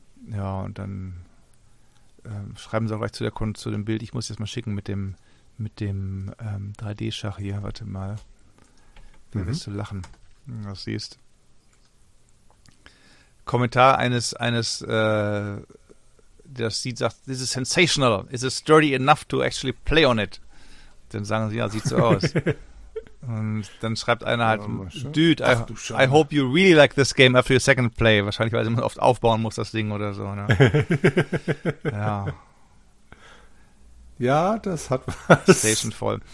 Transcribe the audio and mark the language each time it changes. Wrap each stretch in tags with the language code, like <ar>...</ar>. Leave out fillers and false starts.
<de>Ja, und dann schreiben sie auch gleich zu dem Bild. Ich muss jetzt mal schicken mit dem 3D-Schach hier. Warte mal. Da wirst du lachen, wenn du das siehst. Kommentar eines, der das sieht, sagt,</de> <en>this is sensational. Is it sturdy enough to actually play on it?</en> <de>Dann sagen sie, ja, sieht so aus. Und dann schreibt einer halt,</de> <en>dude, I hope you really like this game after your second play.</en> <de>Wahrscheinlich, weil man oft aufbauen muss, das Ding oder so. Ne? Ja. Ja, das hat was. Station voll.</de>